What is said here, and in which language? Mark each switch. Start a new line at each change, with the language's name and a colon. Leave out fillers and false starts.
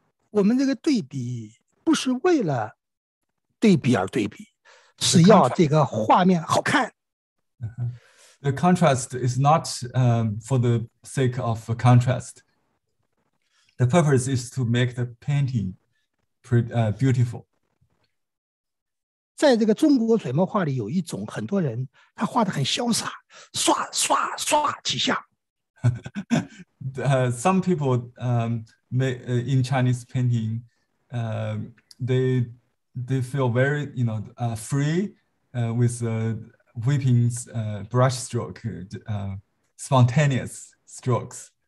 Chinese: 我们这个对比不是为了对比而对比，是要这个画面好看。
English: The contrast is not for the sake of a contrast. The purpose is to make the painting beautiful.
Chinese: 在这个中国水墨画里有一种很多人他画得很潇洒，刷刷刷几下。
English: Some people in Chinese painting, they feel very, you know, free with the whipping brush stroke, spontaneous strokes.